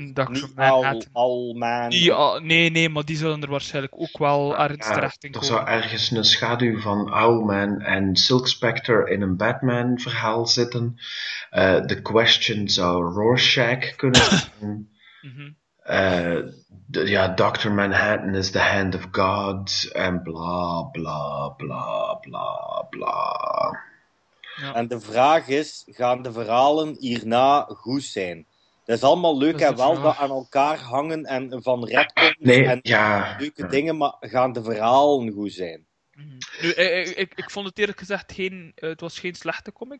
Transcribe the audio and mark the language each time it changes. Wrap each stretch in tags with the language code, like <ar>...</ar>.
<nl>Niet Manhattan. Nee, maar die zullen er waarschijnlijk ook wel ergens terecht in komen. Er zou ergens een schaduw van Owlman en Silk Spectre in een Batman-verhaal zitten. The Question zou Rorschach kunnen zijn. Dr.</nl> <en>Manhattan is the hand of God.</en> <nl>En bla, bla, bla, bla, bla. Ja. En de vraag is, gaan de verhalen hierna goed zijn? Dat is allemaal leuk en wel, dat aan elkaar hangen en van retten leuke dingen, maar gaan de verhalen goed zijn? Nu, ik vond het eerlijk gezegd geen slechte comic.</nl>